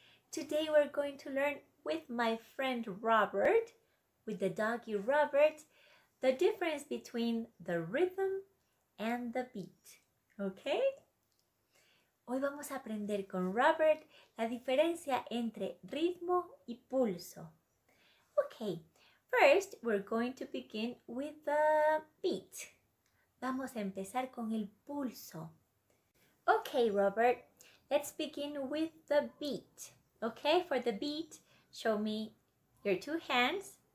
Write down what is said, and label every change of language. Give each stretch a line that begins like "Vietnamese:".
English: Today we're going to learn with my friend Robert, with the doggie Robert, the difference between the rhythm and the beat. Okay?
Spanish: Hoy vamos a aprender con Robert la diferencia entre ritmo y pulso.
English: Okay, first we're going to begin with the beat.
Spanish: Vamos a empezar con el pulso.
English: Okay, Robert, let's begin with the beat. Okay, for the beat, show me your two hands.